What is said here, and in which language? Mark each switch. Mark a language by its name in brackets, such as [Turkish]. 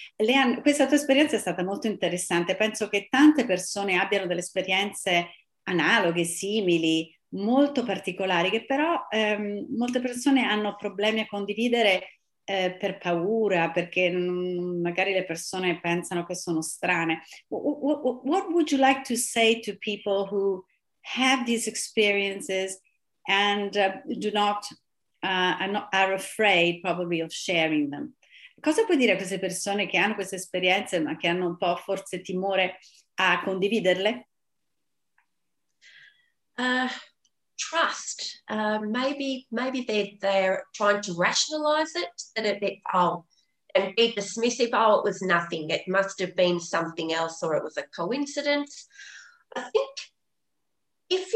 [Italian] Leanne, questa tua esperienza è stata molto interessante. Penso che tante persone abbiano delle esperienze analoghe, simili, molto particolari, che però molte persone hanno problemi a condividere per paura, perché magari le persone pensano che sono strane. [English] What would you like to say to people who have these experiences and are afraid probably of sharing them? [Italian] Cosa puoi dire a queste persone che hanno queste esperienze ma che hanno un po' forse timore a condividerle? [English] Trust. Maybe they're trying to rationalize it, that and be dismissive. Oh, it was nothing. It must have been something else, or it was a coincidence. I think